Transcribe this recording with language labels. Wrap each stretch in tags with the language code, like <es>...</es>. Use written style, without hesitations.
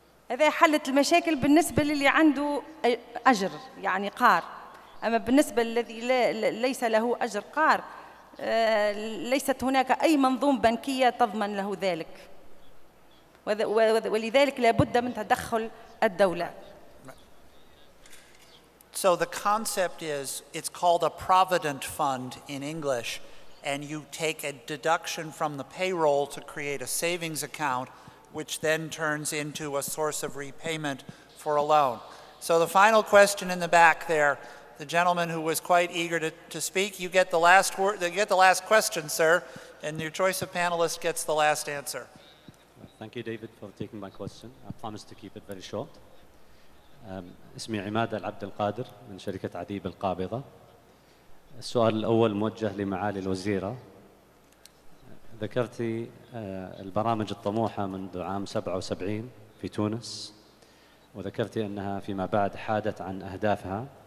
<ar>هذا حلت المشاكل بالنسبة للي عنده أجر يعني قار، أما بالنسبة للذي ليس له أجر قار ليست هناك أي منظومة بنكية تضمن له ذلك. ولذلك لابد من تدخل الدولة.</ar> <en>So the concept is, it's called a provident fund in English, and you take a deduction from the payroll to create a savings account, which then turns into a source of repayment for a loan. So the final question in the back there, the gentleman who was quite eager to speak, you get the last word, you get the last question, sir, and your choice of panelist gets the last answer. Thank you, David, for taking my question. I promise to keep it very short.</en> <ar>اسمي عماد العبد القادر من شركة عديب القابضة. السؤال الأول موجه لمعالي الوزيرة. ذكرتي البرامج الطموحة منذ عام 77 في تونس، وذكرتي أنها فيما بعد حادت عن أهدافها.</ar>